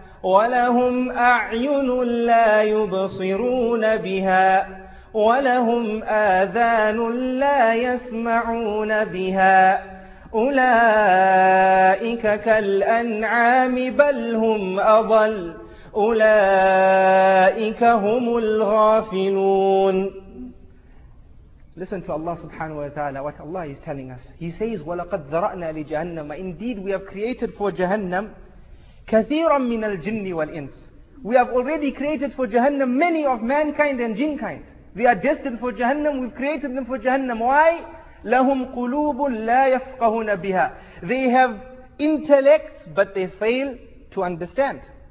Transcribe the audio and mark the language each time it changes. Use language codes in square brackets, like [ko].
[ar] ولهم أعين لا يبصرون بها ولهم آذان لا يسمعون بها أولئك كالأنعام بل هم أضل أولئك هم الغافلون. [en] Listen to Allah subhanahu wa ta'ala, what Allah is telling us. He says, [ar] وَلَقَدْ ذَرَأْنَا لِجَهَنَّمَ. [en] Indeed, we have created for Jahannam [ar] كَثِيرًا مِنَ الْجِنِّ وَالْإِنْسِ. [en] We have already created for Jahannam many of mankind and jinnkind. They are destined for Jahannam, we've created them for Jahannam. Why? [ar] لَهُمْ قُلُوبٌ لَا يَفْقَهُنَ بِهَا. [en] They have intellects, but they fail to understand.